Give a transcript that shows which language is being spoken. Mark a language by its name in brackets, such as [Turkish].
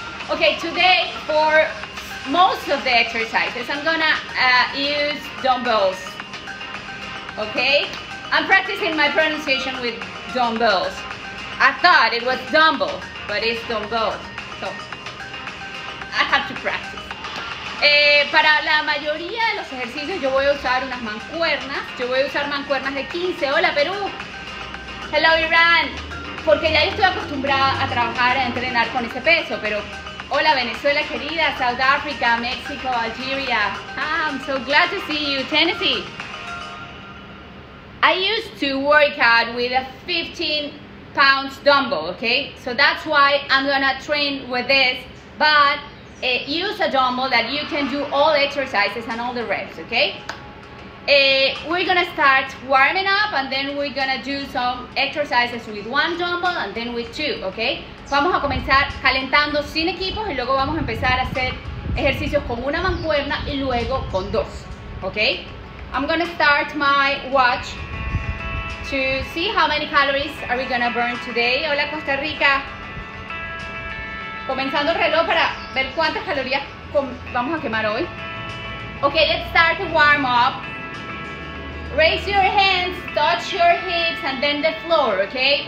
[English] Okay, today for most of the exercises, I'm gonna use dumbbells, okay? I'm practicing my pronunciation with dumbbells. I thought it was dumbbells, but it's dumbbells. So, I have to practice. [Spanish] Para la mayoría de los ejercicios yo voy a usar unas mancuernas. Yo voy a usar mancuernas de 15. Hola Perú. [English] Hello Iran. [Spanish] Porque ya yo estoy acostumbrada a trabajar, a entrenar con ese peso. Pero hola Venezuela querida, [English] South Africa, [Spanish] México, Algeria. [English] Ah, I'm so glad to see you, Tennessee. I used to work out with a 15 pounds dumbbell, okay? So that's why I'm gonna train with this, but use a dumbbell that you can do all exercises and all the reps, okay? We're gonna start warming up and then we're gonna do some exercises with one dumbbell and then with two, okay? [Spanish] Vamos a comenzar calentando sin equipos y luego vamos a empezar a hacer ejercicios con una mancuerna y luego con dos, okay? [English] I'm gonna start my watch to see how many calories are we gonna burn today. [Spanish] Hola Costa Rica. Comenzando el reloj para ver cuántas calorías vamos a quemar hoy. [English] Okay, let's start the warm up. Raise your hands, touch your hips, and bend the floor, okay?